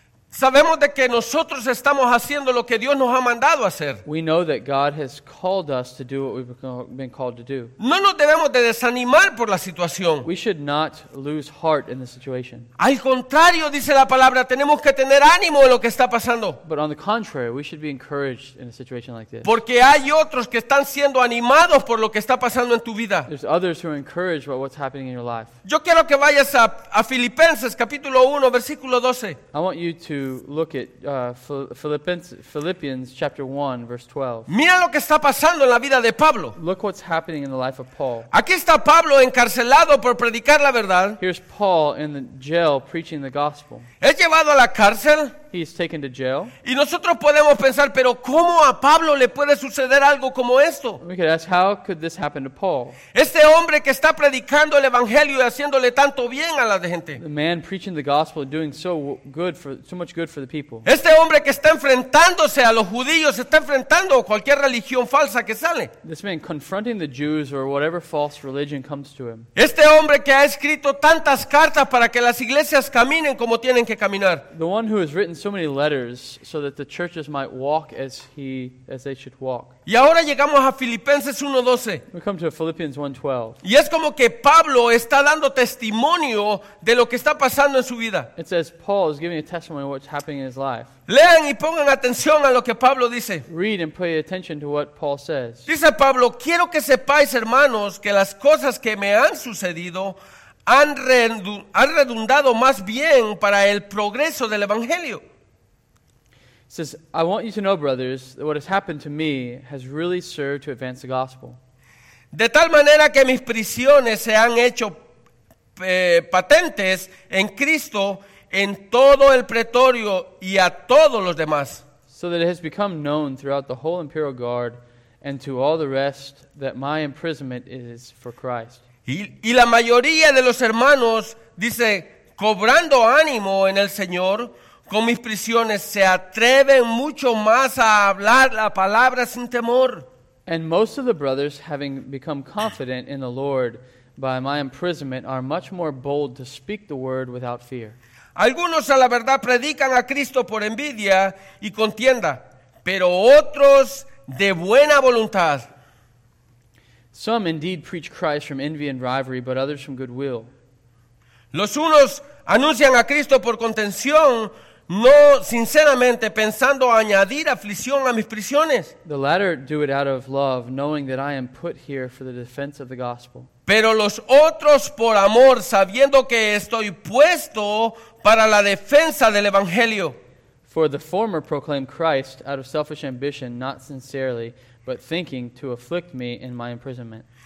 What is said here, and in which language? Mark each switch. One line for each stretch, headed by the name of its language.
Spanish: sabemos de que nosotros estamos haciendo lo que Dios nos ha mandado hacer.
English: We know that God has called us to do what we've been called to do.
Spanish: No nos debemos de desanimar por la situación.
English: We should not lose heart in the situation.
Spanish: Al contrario, dice la palabra, tenemos que tener ánimo en lo que está pasando.
English: But on the contrary, we should be encouraged in a situation like this.
Spanish: Porque hay otros que están siendo animados por lo que está pasando en tu vida.
English: There's others who are encouraged by what's happening in your life.
Spanish: Yo quiero que vayas a Filipenses capítulo 1 versículo 12.
English: I want you to look at Philippians chapter 1 verse 12.
Spanish: Mira lo que está pasando en la vida de Pablo.
English: Look what's happening in the life of Paul.
Spanish: Aquí está Pablo encarcelado por predicar la verdad.
English: Here's Paul in the jail preaching the gospel.
Spanish: Es llevado a la cárcel.
English: He's taken to jail.
Spanish: Y nosotros podemos pensar, pero ¿cómo a Pablo le puede suceder algo como esto?
English: We could ask, how could this happen to Paul?
Spanish: Este hombre que está predicando el evangelio y haciéndole tanto bien a la gente.
English: The man preaching the gospel and doing so much good for the people.
Spanish: Este hombre que está enfrentándose a los judíos, está enfrentando cualquier religión falsa que sale.
English: This man confronting the Jews or whatever false religion comes to him.
Spanish: Este hombre que ha escrito tantas cartas para que las iglesias caminen como tienen que caminar.
English: The one who has written so many letters so that the churches might walk as they should walk.
Spanish: Y ahora llegamos a Filipenses 1:12.
English: We come to Philippians 1:12.
Spanish: Y es como que Pablo está dando testimonio de lo que está pasando en su vida.
English: It says Paul is giving a testimony of what's happening in his life.
Spanish: Lean y pongan atención a lo que Pablo dice.
English: Read and pay attention to what Paul says.
Spanish: Dice Pablo, quiero que sepáis, hermanos, que las cosas que me han sucedido han redundado más bien para el progreso del evangelio.
English: It says, I want you to know, brothers, that what has happened to me has really served to advance the gospel.
Spanish: De tal manera que mis prisiones se han hecho patentes en Cristo, en todo el pretorio y a todos los demás.
English: So that it has become known throughout the whole imperial guard and to all the rest that my imprisonment is for Christ.
Spanish: Y la mayoría de los hermanos, dice, cobrando ánimo en el Señor, con mis prisiones se atreven mucho más a hablar la palabra sin temor.
English: And most of the brothers, having become confident in the Lord, by my imprisonment are much more bold to speak the word without fear.
Spanish: Algunos a la verdad predican a Cristo por envidia y contienda, pero otros de buena voluntad.
English: Some indeed preach Christ from envy and rivalry, but others from goodwill.
Spanish: Los unos anuncian a Cristo por contención, no sinceramente pensando añadir aflicción a mis prisiones.
English: The latter do it out of love, knowing that I am put here for the defense of the gospel.
Spanish: Pero los otros por amor, sabiendo que estoy puesto para la defensa del evangelio.
English: For the former proclaim Christ out of selfish ambition, not sincerely, but thinking to afflict me in my imprisonment.